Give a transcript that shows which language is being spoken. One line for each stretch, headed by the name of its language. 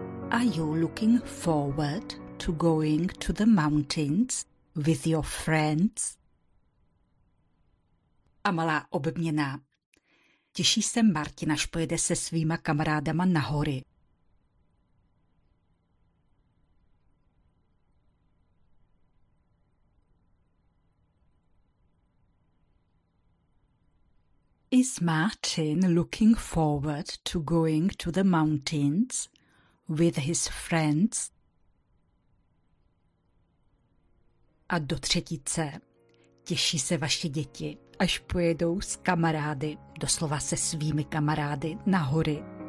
English: Are you looking forward to going to the mountains with your friends?
Czech: A malá obměna. Těší se Martin, až pojede se svýma kamarádama na hory.
English: Is Martin looking forward to going to the mountains with his friends?
Czech: A do třetice. Těší se vaše děti, až pojedou s kamarády, doslova se svými kamarády, na hory.